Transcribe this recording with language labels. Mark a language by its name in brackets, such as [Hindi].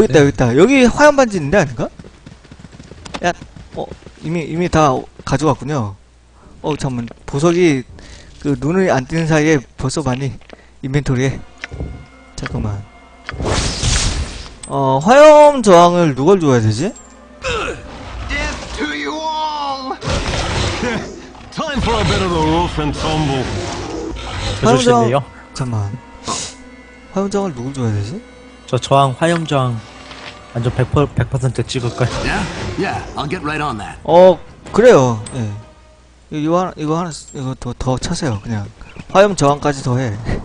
[Korean] 여깄다 여기 화염 반지 있는데 아닌가? 야 어 이미 다 가져갔군요. 어 잠깐만 보석이 그 눈을 안 뜨는 사이에 벌써 많이 인벤토리에. 잠깐만 화염 저항을 누굴 줘야 되지? [English] Death to you all! Time for a bit of a roof and tumble. [Korean] 화염 저항... 잠깐만 화염 저항을 누굴 줘야 되지? 저 저항 화염 저항 완전 100% 찍을걸? [English] Yeah? Yeah, I'll get right on that. [Korean] 그래요 예. 이거 하나 더 차세요. 그냥 화염 저항까지 더 해.